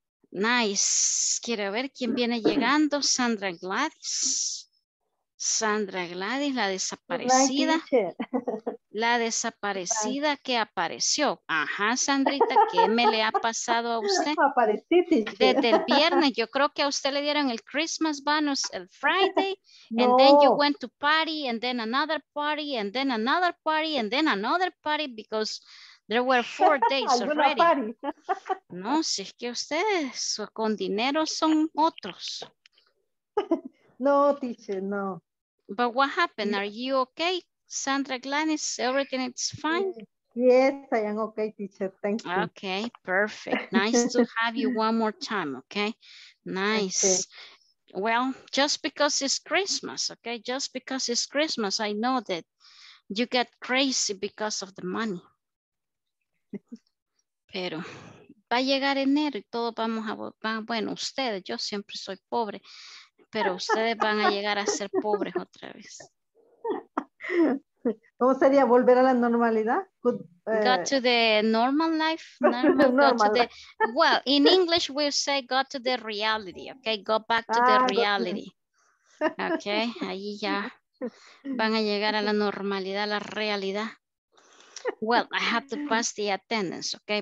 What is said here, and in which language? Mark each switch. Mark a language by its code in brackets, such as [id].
[es] Nice. Quiero ver quién viene llegando. Sandra Gladys. Sandra Gladys, la desaparecida. La desaparecida que apareció. Ajá, Sandrita, ¿qué me le ha pasado a usted? Aparecí, desde el viernes. Yo creo que a usted le dieron el Christmas bonus el Friday. [en] And then you went to party, and then another party, and then another party, and then another party, because there were 4 days already. [es] No, si es que ustedes con dinero son otros. [en] No, teacher, no. But what happened? Are you okay, Sandra Glanis? Everything is fine? Yes, I am okay, teacher. Thank you. Okay, perfect. Nice to have you one more time, okay? Nice. Okay. Well, just because it's Christmas, okay? Just because it's Christmas, I know that you get crazy because of the money. [es] Pero va a llegar enero y todos vamos a bueno, ustedes, yo siempre soy pobre, pero ustedes van a llegar a ser pobres otra vez. ¿Cómo sería volver a la normalidad? [en] Go to the normal life. Normal. Well, in English we say go to the reality, okay? Go back to the reality. [es] Okay, ahí ya van a llegar a la normalidad, a la realidad. [en] Well, I have to pass the attendance, okay?